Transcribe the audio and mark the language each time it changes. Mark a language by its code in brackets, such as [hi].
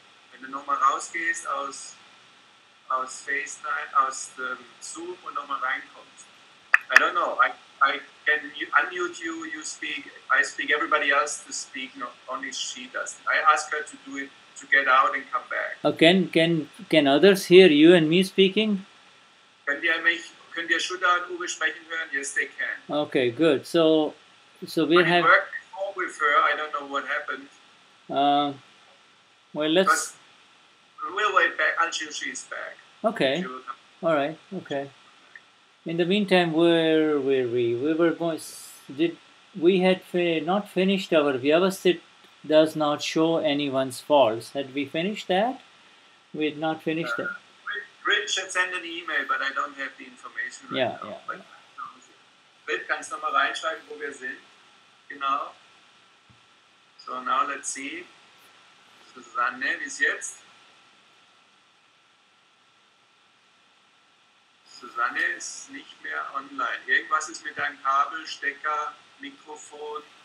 [de] Wenn du nochmal rausgehst aus FaceTime, aus dem Zoom und nochmal reinkommst. [en] I don't know. I can unmute you, you speak. I speak everybody else to speak, not only she does. I ask her to do it, to get out and come back. Can others hear you and me speaking? [de] Können wir Shuddha und Uwe sprechen hören? [en] Yes, they can. Okay, good. So we have... I worked before with her. I don't know what happened. Well, let's... But we'll wait back until she's back. Okay. All right. Okay. In the meantime, where were we? We were going... We had not finished our... Vyavasthit does not show anyone's faults. Had we finished that? We had not finished that. Rich had sent an email, but I don't have the information right yeah, now. Yeah. [de] Rich, kannst du mal reinschreiben, wo wir sind? Genau. [en] So now let's see. Suzanne, [de] wie ist jetzt? Suzanne ist nicht mehr online. Irgendwas ist mit deinem Kabel, Stecker, Mikrofon.